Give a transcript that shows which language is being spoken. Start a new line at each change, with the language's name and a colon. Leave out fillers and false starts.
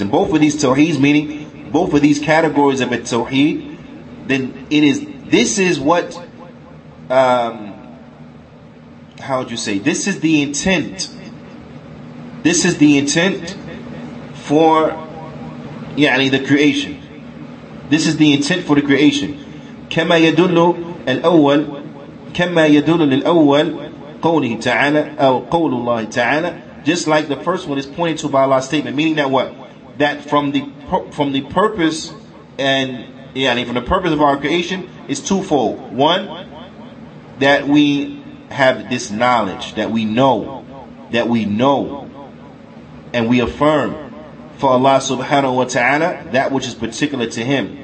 English: And both of these Tawheeds, meaning both of these categories of a Tawheed, then it is, this is what, how would you say, this is the intent. This is the intent for, yeah, I mean, the creation. This is the intent for the creation.
Arabic: كما يدل الأول كما يدل للأول قوله تعالى أو قول الله تعالى.
English: Just like the first one is pointed to by Allah's statement, meaning that what? That from the purpose and from the purpose of our creation is twofold. One, that we have this knowledge, that we know, and we affirm for Allah subhanahu wa ta'ala that which is particular to Him.